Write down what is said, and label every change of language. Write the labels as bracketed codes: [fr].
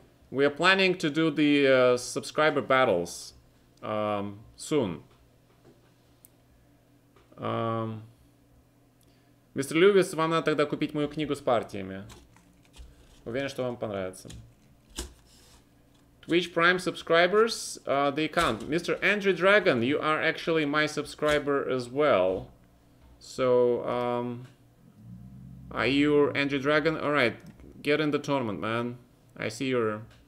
[en] We are planning to do the subscriber battles soon. [ru] Мистер Льюис, вам надо тогда купить мою книгу с партиями. Уверен, что вам понравится. [en] Twitch Prime subscribers, they count. Mr. Andrew Dragon, you are actually my subscriber as well. So, are you Andrew Dragon? All right, get in the tournament, man. I see you're...